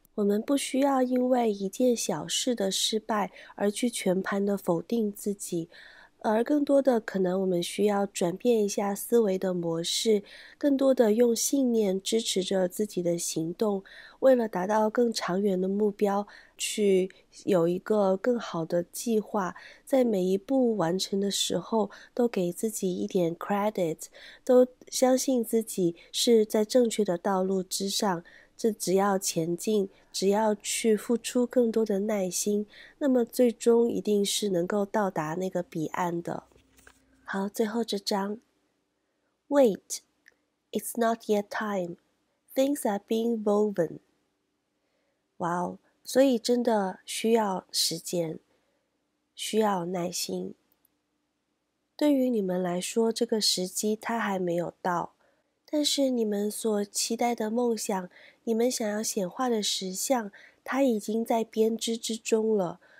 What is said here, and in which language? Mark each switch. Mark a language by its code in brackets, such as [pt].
[zh] 我们不需要因为一件小事的失败而去全盘的否定自己，而更多的可能我们需要转变一下思维的模式，更多的用信念支持着自己的行动，为了达到更长远的目标，去有一个更好的计划，在每一步完成的时候都给自己一点 credit， 都相信自己是在正确的道路之上。这只要前进，只要去付出更多的耐心，那么最终一定是能够到达那个彼岸的。好，最后这张 [en] Wait, it's not yet time. Things are being woven. [zh] 哇哦，所以真的需要时间，需要耐心。对于你们来说，这个时机它还没有到，但是你们所期待的梦想，你们想要显化的实相，它已经在编织之中了。